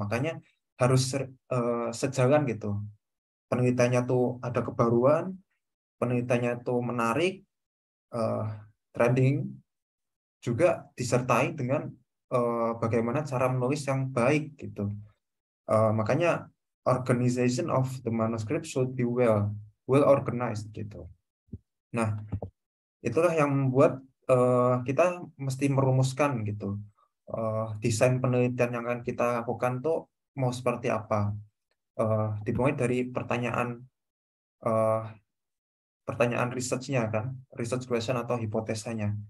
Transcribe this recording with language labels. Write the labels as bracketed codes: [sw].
[id] Makanya harus sejalan gitu. Penelitiannya tuh ada kebaruan, penelitiannya tuh menarik, trending, juga disertai dengan bagaimana cara menulis yang baik gitu. [en] Makanya organization of the manuscript should be well organized gitu. [id] Nah, itulah yang membuat kita mesti merumuskan gitu. Desain penelitian yang akan kita lakukan tuh mau seperti apa? Dimulai dari pertanyaan research-nya kan, research question atau hipotesanya.